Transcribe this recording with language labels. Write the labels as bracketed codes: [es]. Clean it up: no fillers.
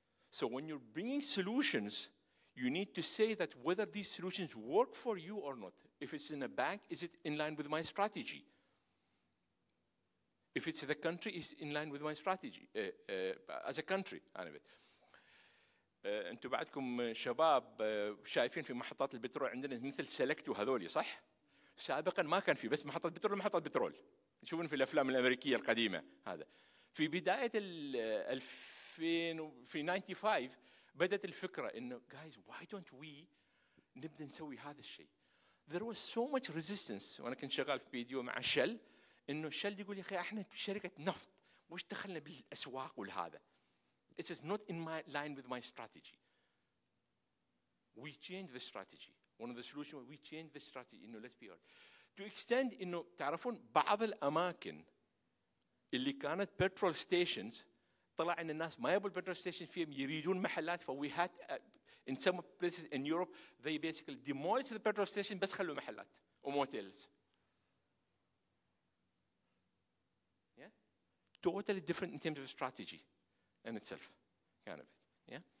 [en] So when you're bringing solutions, you need to say that whether these solutions work for you or not. If it's in a bank, is it in line with my strategy? If it's the country, is in line with my strategy as a country. [ar] انتوا بعدكم شباب شايفين في محطات البترول عندنا مثل سلكت وهذولي صح؟ سابقا ما كان في بس محطة بترول محطة بترول تشوفون في الافلام الامريكية القديمة هذا في بداية الفين في 95 بدأت الفكرة انه [en] guys why don't we [ar] نبدأ نسوي هذا الشيء [en] there was so much resistance [ar] وانا كنت شغال في فيديو مع شل انه شل يقول يا اخي احنا شركة نفط وش دخلنا بالاسواق والهذا [en] It is not in my line with my strategy. We changed the strategy. One of the solutions, we changed the strategy. You know, let's be honest. To extend, you know, [ar] تعرفون بعض الأماكن اللي كانت petrol stations طلع إن الناس ما يبغوا petrol stations فيهم يريدون محلات. [en] For we had in some places in Europe, they basically demolished the petrol station [ar] بس خلوا محلات [en] or motels. Yeah, totally different in terms of strategy. And itself, kind of it, yeah?